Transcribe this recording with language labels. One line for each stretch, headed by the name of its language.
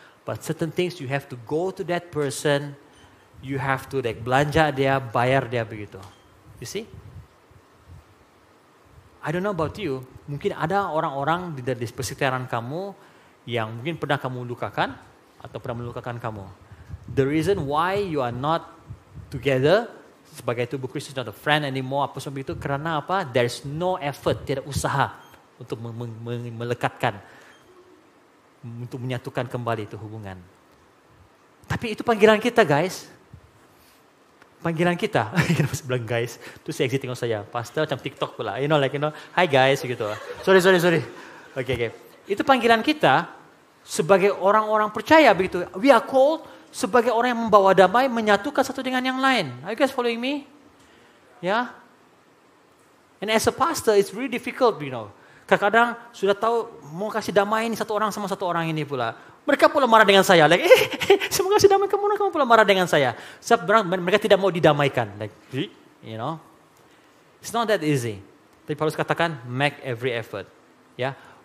English: But certain things you have to go to that person, you have to like
Malay: belanja dia, bayar dia begitu.
English: You see? I don't know about you,
Malay: mungkin ada orang-orang di persekitaran kamu yang mungkin pernah kamu lukakan atau pernah melukakan kamu.
English: The reason why you are not together
Malay: sebagai tubuh Kristus,
English: not a friend anymore,
Malay: apa sebab itu, kerana apa?
English: There's no effort,
Malay: tidak usaha untuk melekatkan, untuk menyatukan kembali itu hubungan. Tapi itu panggilan kita, guys. Panggilan kita. Kenapa saya bilang guys? Itu saya exit tengok saya. Pastor macam TikTok pula.
English: You know, like, you know, hi guys, gitu. Sorry. Okay.
Malay: Itu panggilan kita sebagai orang-orang percaya, begitu.
English: We are called
Malay: sebagai orang yang membawa damai, menyatukan satu dengan yang lain.
English: Are you guys following me? Ya? Yeah? And as a pastor, it's really difficult, you know.
Malay: Kadang-kadang sudah tahu mau kasih damai ini satu orang sama satu orang ini pula. Mereka pula marah dengan saya. Like, saya mau kasih damai kamu, kamu pula marah dengan saya. Mereka tidak mau didamaikan.
English: Like, you know. It's not that easy.
Malay: Tapi Paulus katakan,
English: make every effort.
Malay: Ya? Yeah?